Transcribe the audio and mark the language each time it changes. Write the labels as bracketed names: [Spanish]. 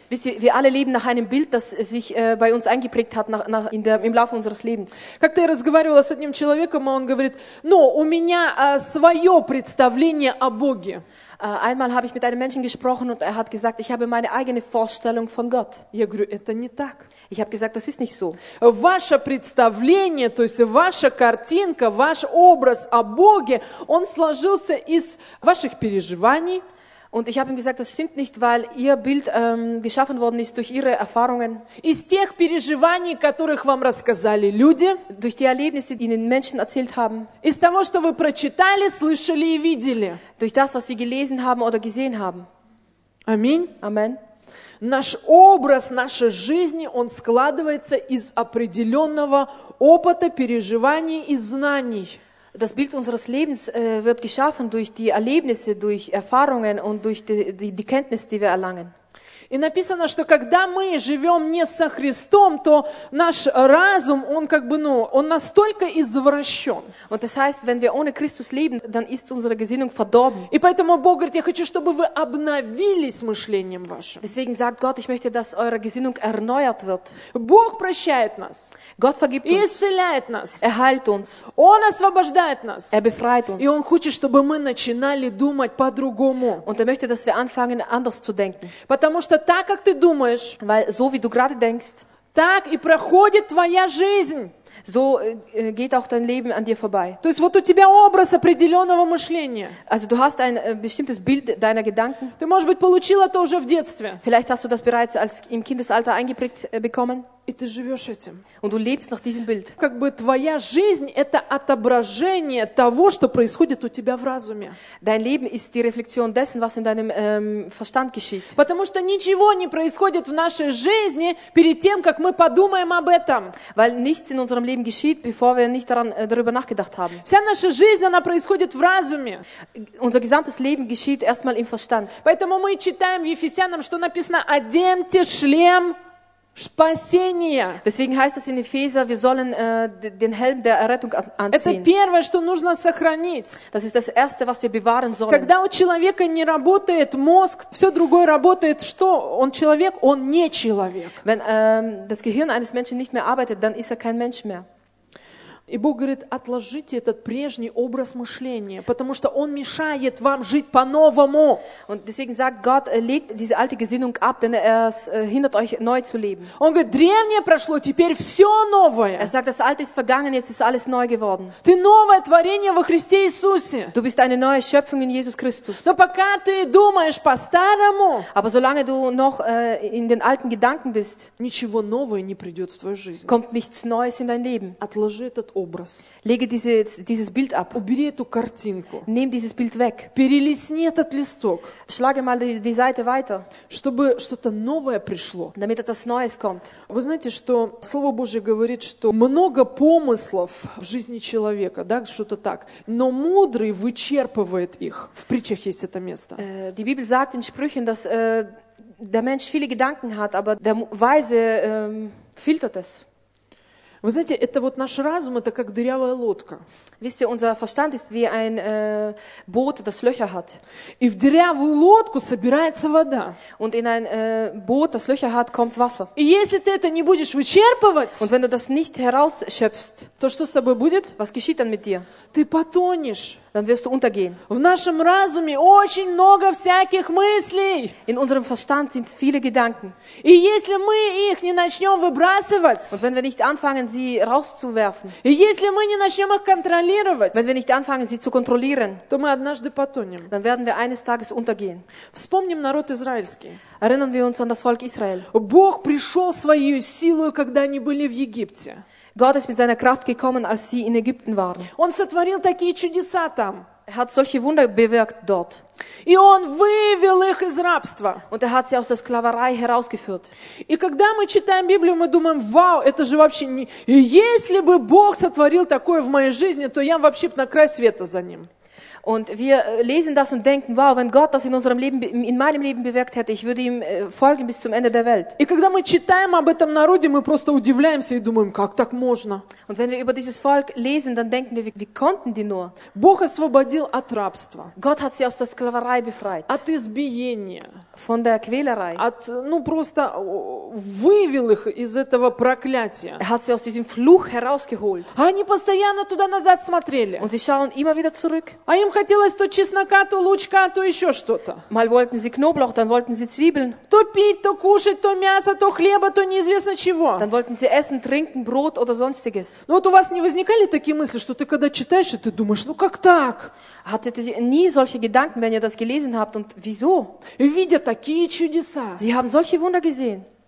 [German] Wisst ihr, wir alle leben nach einem Bild, das sich bei uns eingeprägt hat im Laufe unseres Lebens. [Russian] Как-то я разговаривала с одним человеком, он говорит: «Но у меня свое представление о Боге». [German] Einmal habe ich mit einem Menschen gesprochen und er hat gesagt, ich habe meine eigene Vorstellung von Gott. [Russian] Я говорю, это не так. [German] Ich habe gesagt, das ist nicht so. [Russian] Ваше представление, то есть ваша картинка, ваш образ о Боге, он сложился из ваших переживаний. [German] Und ich habe ihm gesagt, das stimmt nicht, weil ihr Bild geschaffen worden ist durch ihre Erfahrungen. [Russian] Из тех переживаний, которых вам рассказали люди. [German] Durch die Erlebnisse, die ihnen Menschen erzählt haben. [Russian] Из того, что вы прочитали, слышали и видели. [German] Durch das, was sie gelesen haben oder gesehen haben. [Russian] Аминь. [German] Amen. [Russian] Наш образ нашей жизни, он складывается из определенного опыта, переживаний и знаний. [German] Das Bild unseres Lebens wird geschaffen durch die Erlebnisse, durch Erfahrungen und durch die Kenntnis, die wir erlangen. [Russian] И написано, что когда мы живем не со Христом, то наш разум, он как бы, ну, он настолько извращен. [German] Und das heißt, wenn wir ohne Christus leben, dann ist unsere Gesinnung verdorben. [Russian] И поэтому Бог говорит, я хочу, чтобы вы обновились мышлением вашим. [German] Deswegen sagt Gott, ich möchte, dass eure Gesinnung erneuert wird. [Russian] Бог прощает нас. [German] Gott vergibt uns. [Russian] Исцеляет нас. [German] Er heilt uns. [Russian] Он освобождает нас. [German] Er befreit uns. [Russian] И Он хочет, чтобы мы начинали думать по-другому. [German] Und er möchte, dass wir anfangen, anders zu denken. [Russian] Потому что так, как ты думаешь, [German] weil, so wie du gerade denkst, [Russian] так и проходит твоя жизнь. [German] So geht auch dein Leben an dir vorbei. [Russian] То есть вот у тебя образ определенного мышления. [German] Also du hast ein bestimmtes Bild deiner Gedanken. [Russian] Ты, может быть, получил это уже в детстве. [German] Vielleicht hast du das bereits als im Kindesalter eingeprägt bekommen. [Russian] И ты живешь этим. [German] Und du lebst nach diesem Bild. [Russian] Как бы твоя жизнь это отображение того, что происходит у тебя в разуме. [German] Dein Leben ist die Reflexion dessen, was in deinem Verstand geschieht. [Russian] Потому что ничего не происходит в нашей жизни перед тем, как мы подумаем об этом. [German] Weil nichts in unserem Leben geschieht, bevor wir nicht daran darüber nachgedacht haben. [Russian] Вся наша жизнь она происходит в разуме. [German] Unser gesamtes Leben geschieht erstmal im Verstand. [Russian] Поэтому мы читаем в Ефесянам, что написано: «Оденьте шлем». Спасение. [German] Deswegen heißt es in Epheser, wir sollen den Helm der Errettung anziehen. [Russian] Это первое, что нужно сохранить. [German] Das ist das erste, was wir bewahren sollen. [Russian] Когда у человека не работает мозг, все другое работает, что? Он человек, он не человек. [German] Wenn das Gehirn eines Menschen nicht mehr arbeitet, dann ist er kein Mensch mehr. [Russian] И Бог говорит, отложите этот прежний образ мышления, потому что он мешает вам жить по-новому. [German] Und deswegen sagt Gott, legt diese alte Gesinnung ab, denn es hindert euch neu zu leben. [Russian] Он говорит, древнее прошло, теперь все новое. [German] Er sagt, das Alte ist vergangen, jetzt ist alles neu geworden. [Russian] Ты новое творение во Христе Иисусе. [German] Du bist eine neue Schöpfung in Jesus Christus. [Russian] Но пока ты думаешь по-старому, [German] aber solange du noch in den alten Gedanken bist, [Russian] ничего нового не придет в твою жизнь. [German] Kommt nichts Neues in dein Leben. [Russian] Отложи этот образ. [German] Lege dieses Bild ab. [Russian] Убери эту картинку. [German] Nimm dieses Bild weg. [Russian] Перелистни этот листок. [German] Schlage mal die Seite weiter. [Russian] Чтобы что-то новое пришло. [German] Damit etwas Neues kommt. [Russian] Вы знаете, что Слово Божье говорит, что много помыслов в жизни человека, да, что-то так, но мудрый вычерпывает их. В притчах есть это место. [German] Die Bibel sagt in Sprüchen, dass der Mensch viele Gedanken hat, aber der Weise filtert es. [Russian] Вы знаете, это вот наш разум, это как дырявая лодка. [German] Wisst ihr, unser Verstand ist wie ein Boot, das Löcher hat. [Russian] И в дырявую лодку собирается вода. [German] Und in ein Boot, das Löcher hat, kommt Wasser. [Russian] И если ты это не будешь вычерпывать, [German] und wenn du das nicht herausschöpfst, [Russian] то что с тобой будет? [German] Was geschieht dann mit dir? [Russian] Ты потонешь. [German] Dann wirst du untergehen. [Russian] В нашем разуме очень много всяких мыслей. [German] In unserem Verstand sind viele Gedanken. [Russian] И если мы их не начнем выбрасывать, [German] und wenn wir nicht anfangen, sie rauszuwerfen, [Russian] и если мы не начнем их контролировать, [German] wenn wir nicht anfangen, sie zu kontrollieren, [Russian] то мы однажды потонем. [German] Dann werden wir eines Tages untergehen. [Russian] Вспомним народ израильский. [German] Erinnern wir uns an das Volk Israel. [Russian] Бог пришел своей силой, когда они были в Египте. [German] Gott ist mit seiner Kraft gekommen, als sie in Ägypten waren. [Russian] Он сотворил такие чудеса там. [German] Er hat solche Wunder bewirkt dort. [Russian] И он вывел их из рабства. [German] Und er hat sie aus der Sklaverei herausgeführt. [Russian] И когда мы читаем Библию, мы думаем, вау, это же вообще не... Если бы Бог сотворил такое в моей жизни, то я вообще на край света за ним. [German] Und wir lesen das und denken, wow, wenn Gott das in unserem Leben, in meinem Leben bewirkt hätte, ich würde ihm folgen bis zum Ende der Welt. [Russian] И когда мы читаем об этом народе, мы просто удивляемся и думаем, как так можно? [German] Und wenn wir über dieses Volk lesen, dann denken wir, wie konnten die nur? [Russian] Бог освободил от рабства. [German] Gott hat sie aus der Sklaverei befreit. [Russian] От избиения. [German] von der Quälerei. [Russian] От, ну, просто вывел их из этого проклятия. [German] Er hat sie aus diesem Fluch herausgeholt. [Russian] Они постоянно туда назад смотрели. [German] Und sie schauen immer wieder zurück. [Russian] А им хотелось то чеснока, то лучка, то еще что-то. [German] Mal wollten sie Knoblauch, dann wollten sie Zwiebeln. [Russian] То пить, то кушать, то мясо, то хлеба, то неизвестно чего. [German] Dann wollten sie essen, trinken, Brot oder sonstiges. [Russian] Ну, вот у вас не возникали такие мысли, что ты когда читаешь, ты думаешь, ну как так? [German] Hattet ihr nie solche Gedanken, wenn ihr das gelesen habt und wieso? Sie haben solche Wunder gesehen.